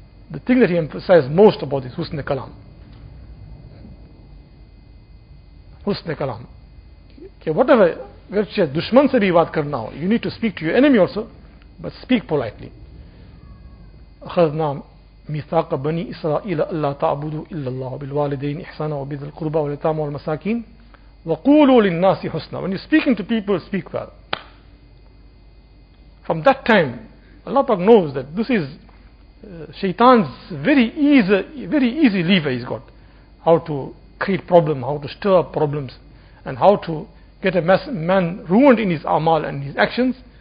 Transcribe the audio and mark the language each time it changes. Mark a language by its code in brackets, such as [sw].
[en] The thing that he emphasized most about is Husne Kalam. Husne Kalam. Okay, whatever, virtue, [ur] dushman se bhi baat karna ho, [en] you need to speak to your enemy also, but speak politely. Khaznam. [ar] ميثاق بني إسرائيل ألا تعبدوا إلا الله بالوالدين إحسانا وبذل القربى واليتامى والمساكين وقولوا للناس حسنا. [en] When you're speaking to people, speak well. From that time, Allah Ta'ala knows that this is Shaitan's very easy lever he's got. How to create problem, how to stir up problems, and how to get a man ruined in his amal and his actions.